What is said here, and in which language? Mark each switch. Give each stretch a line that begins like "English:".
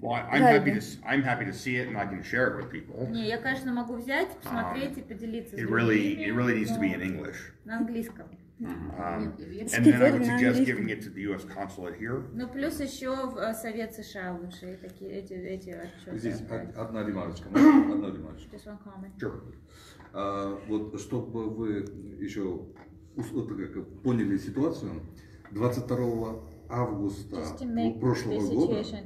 English: I'm happy to see it and I can share it with people.
Russian: Не, я, конечно, могу взять, посмотреть и поделиться с
English: другими. It really needs to be in English.
Russian: На английском.
English: And then I would suggest giving it to the U.S. consulate here.
Russian: Ну плюс еще в Совет США лучше такие эти отчеты. Здесь одна ремарочка.
English: Just one comment. Sure.
Russian: Вот чтобы вы еще поняли ситуацию, 22 августа прошлого года